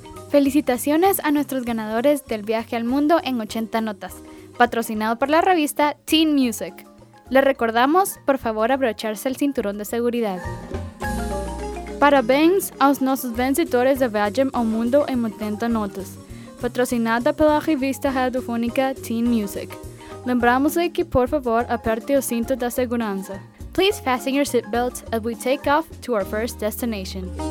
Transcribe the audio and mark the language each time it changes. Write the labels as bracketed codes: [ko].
[es] Felicitaciones a nuestros ganadores del viaje al mundo en 80 notas, patrocinado por la revista Teen Music. Les recordamos, por favor, abrocharse el cinturón de seguridad. [pt] Parabéns aos nossos vencedores de Viagem ao Mundo em 80 Notas, patrocinada pela revista radiofónica Teen Music. Lembramos-lhe que, por favor, aperte o cinto da segurança. [en] Please fasten your seatbelt as we take off to our first destination.